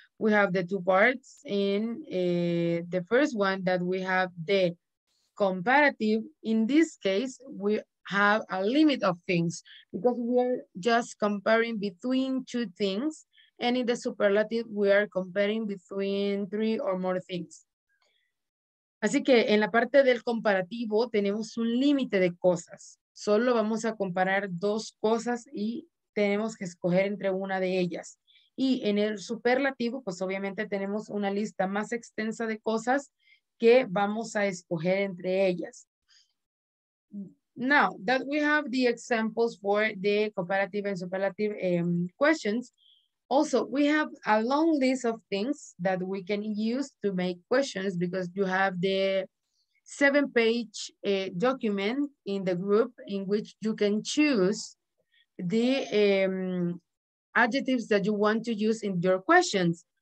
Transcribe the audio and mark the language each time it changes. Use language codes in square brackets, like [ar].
[en] We have the two parts. In the first one, that we have the comparative. In this case, we have a limit of things because we are just comparing between two things. And in the superlative, we are comparing between three or more things. [es] Así que en la parte del comparativo tenemos un límite de cosas. Solo vamos a comparar dos cosas y tenemos que escoger entre una de ellas. Y en el superlativo, pues obviamente tenemos una lista más extensa de cosas que vamos a escoger entre ellas. [en] Now that we have the examples for the comparative and superlative questions, also, we have a long list of things that we can use to make questions because you have the 7-page document in the group in which you can choose the adjectives that you want to use in your questions.